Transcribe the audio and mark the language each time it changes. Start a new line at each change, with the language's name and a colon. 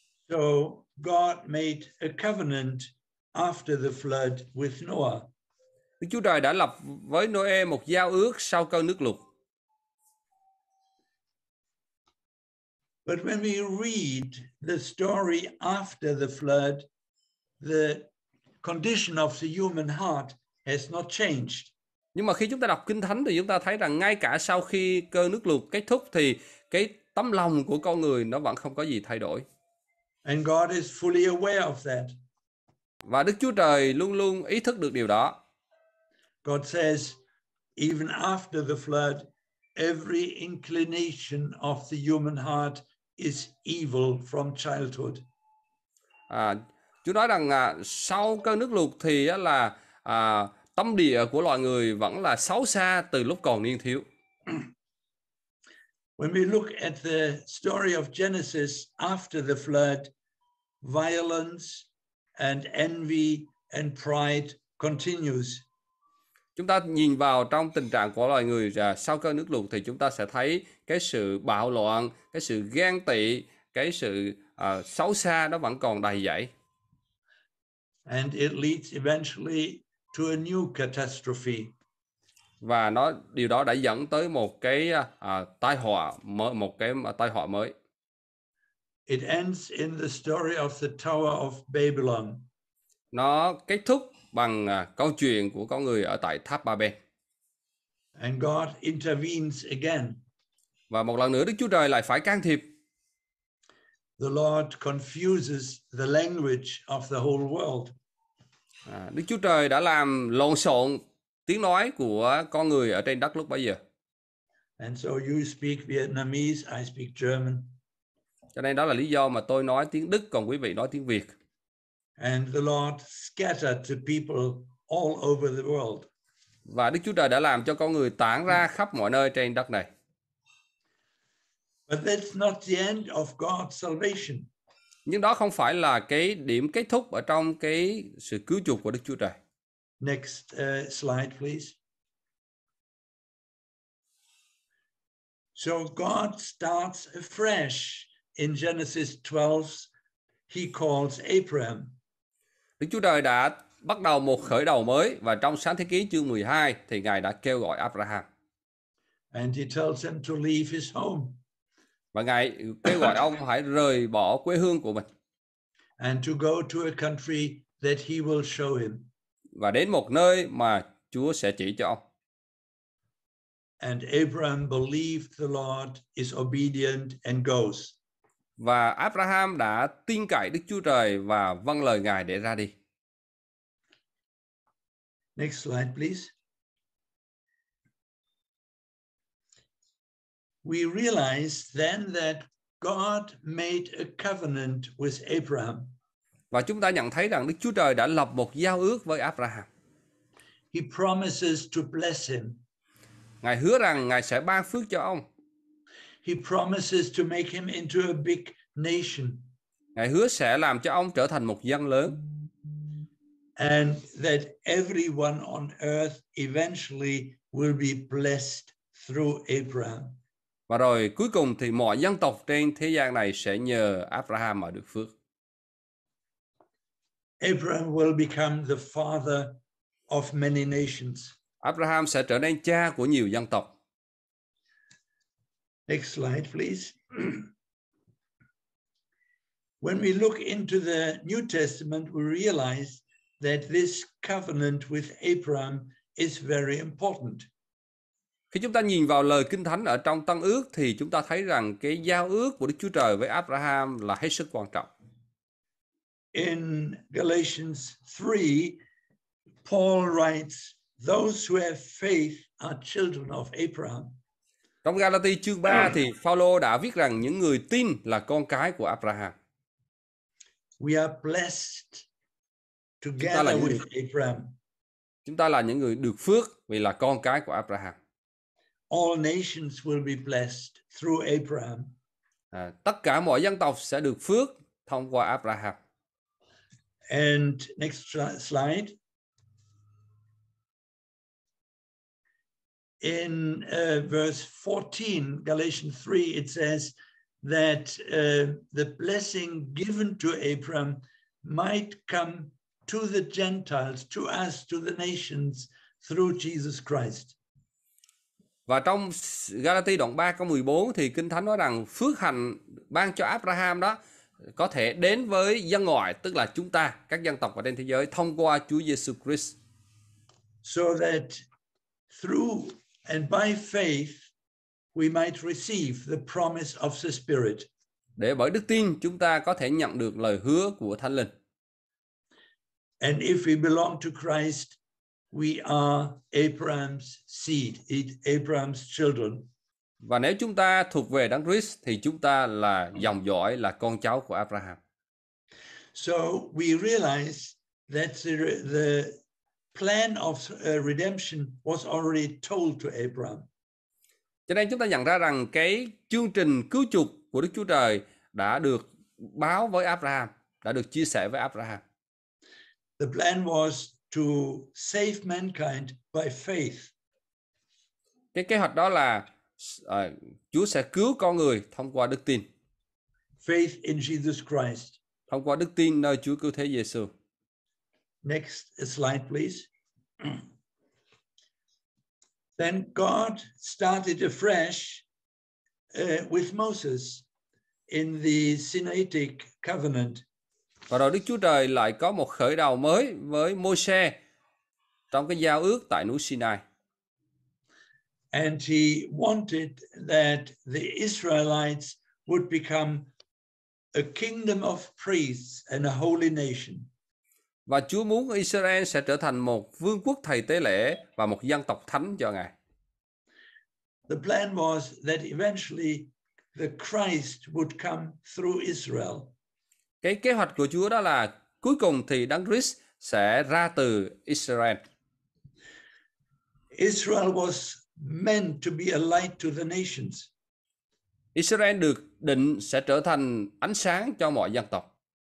English: So God made a covenant after the flood with Noah.
Vietnamese: Đức Chúa Trời đã lập với Noe một giao ước sau cơn nước lụt.
English: But when we read the story after the flood, the condition of the human heart has not changed.
Vietnamese: Nhưng mà khi chúng ta đọc Kinh Thánh thì chúng ta thấy rằng ngay cả sau khi cơn nước lụt kết thúc thì cái tấm lòng của con người nó vẫn không có gì thay đổi.
English: And God is fully aware of that.
Vietnamese: Và Đức Chúa Trời luôn luôn ý thức được điều đó.
English: God says, even after the flood, every inclination of the human heart is evil from childhood.
Vietnamese: Chúa nói rằng sau cơn nước lụt thì là tâm địa của loài người vẫn là xấu xa từ lúc còn niên thiếu.
English: When we look at the story of Genesis after the flood, violence and envy and pride continues.
Vietnamese: Chúng ta nhìn vào trong tình trạng của loài người sau cơn nước lụt thì chúng ta sẽ thấy cái sự bạo loạn, cái sự ghen tị, cái sự xấu xa nó vẫn còn đầy dẫy.
English: And it leads eventually to a new catastrophe.
Vietnamese: Và nó điều đó đã dẫn tới một cái tai họa mới, một cái tai họa mới.
English: It ends in the story of the Tower of Babylon.
Vietnamese: Nó kết thúc bằng câu chuyện của con người ở tại tháp Ba-bên.
English: And God intervenes again.
Vietnamese: Và một lần nữa Đức Chúa Trời lại phải can thiệp.
English: The Lord confuses the language of the whole world.
Vietnamese: Đức Chúa Trời đã làm lộn xộn tiếng nói của con người ở trên đất lúc bấy giờ.
English: And so you speak Vietnamese, I speak German.
Vietnamese: Cho nên đó là lý do mà tôi nói tiếng Đức, còn quý vị nói tiếng Việt.
English: And the Lord scattered the people all over the world.
Vietnamese: Và Đức Chúa Trời đã làm cho con người tản ra khắp mọi nơi trên đất này.
English: But that's not the end of God's salvation.
Vietnamese: Nhưng đó không phải là cái điểm kết thúc ở trong cái sự cứu chuộc của Đức Chúa Trời.
English: Next slide, please. So God starts afresh in Genesis 12. He calls Abraham.
Vietnamese: Đức Chúa Trời đã bắt đầu một khởi đầu mới và trong Sáng Thế Ký chương 12 thì Ngài đã kêu gọi Abraham.
English: And he tells him to leave his home.
Vietnamese: Và Ngài kêu gọi ông hãy rời bỏ quê hương của mình.
English: And to go to a country that he will show him.
Vietnamese: Và đến một nơi mà Chúa sẽ chỉ cho ông.
English: And Abraham believed the Lord, is obedient and goes.
Vietnamese: Và Abraham đã tin cậy Đức Chúa Trời và vâng lời Ngài để ra đi.
English: Next slide, please. We realize then that God made a covenant with Abraham.
Vietnamese: Và chúng ta nhận thấy rằng Đức Chúa Trời đã lập một giao ước với Abraham.
English: He promises to bless him.
Vietnamese: Ngài hứa rằng Ngài sẽ ban phước cho ông.
English: He promises to make him into a big nation.
Vietnamese: Ngài hứa sẽ làm cho ông trở thành một dân lớn.
English: And that everyone on earth eventually will be blessed through Abraham.
Vietnamese: Và rồi cuối cùng thì mọi dân tộc trên thế gian này sẽ nhờ Abraham mà được phước.
English: Abraham will become the father of many nations.
Vietnamese: Abraham sẽ trở nên cha của nhiều dân tộc.
English: Next slide, please. When we look into the New Testament, we realize that this covenant with Abraham is very important.
Vietnamese: Khi chúng ta nhìn vào lời Kinh Thánh ở trong Tân Ước thì chúng ta thấy rằng cái giao ước của Đức Chúa Trời với Abraham là hết sức quan trọng.
English: In Galatians 3, Paul writes, those who have faith are children of Abraham.
Vietnamese: Trong Galati chương 3 thì Phaolô đã viết rằng những người tin là con cái của Abraham.
English: We are blessed together with Abraham.
Vietnamese: Chúng ta là những người được phước vì là con cái của Abraham.
English: All nations will be blessed through Abraham.
Vietnamese: Tất cả mọi dân tộc sẽ được phước thông qua Abraham.
English: And next slide. In verse 14, Galatians 3, it says that the blessing given to Abraham might come to the Gentiles, to us, to the nations, through Jesus Christ.
Vietnamese: Và trong Galati đoạn 3 câu 14 thì Kinh Thánh nói rằng phước hạnh ban cho Abraham đó có thể đến với dân ngoại, tức là chúng ta, các dân tộc ở trên thế giới, thông qua Chúa Jesus Christ.
English: So that through and by faith we might receive the promise of the Spirit.
Vietnamese: Để bởi đức tin chúng ta có thể nhận được lời hứa của Thánh Linh.
English: And if we belong to Christ, we are Abraham's seed, Abraham's children.
Vietnamese: Và nếu chúng ta thuộc về Đấng Christ thì chúng ta là dòng dõi, là con cháu của Abraham.
English: So we realize that the plan of redemption was already told to Abraham.
Vietnamese: Cho nên chúng ta nhận ra rằng cái chương trình cứu chuộc của Đức Chúa Trời đã được báo với Abraham, đã được chia sẻ với Abraham.
English: The plan was to save mankind by faith.
Vietnamese: Cái kế hoạch đó là Chúa sẽ cứu con người thông qua đức tin.
English: Faith in Jesus Christ.
Vietnamese: Thông qua đức tin nơi Chúa cứu thế Giêsu.
English: Next slide, please. Then God started afresh with Moses in the Sinaitic covenant.
Vietnamese: Và rồi Đức Chúa Trời lại có một khởi đầu mới với Môi-se trong cái giao ước tại núi Sinai.
English: And he wanted that the Israelites would become a kingdom of priests and a holy nation.
Vietnamese: Và Chúa muốn Israel sẽ trở thành một vương quốc thầy tế lễ và một dân tộc thánh cho Ngài.
English: The plan was that eventually the Christ would come through Israel.
Vietnamese: Cái kế hoạch của Chúa đó là Cuối cùng thì Đấng Christ sẽ ra từ Israel.
English: Israel was meant to be a light to the nations.
Vietnamese: Israel được định sẽ trở thành ánh sáng cho mọi dân tộc.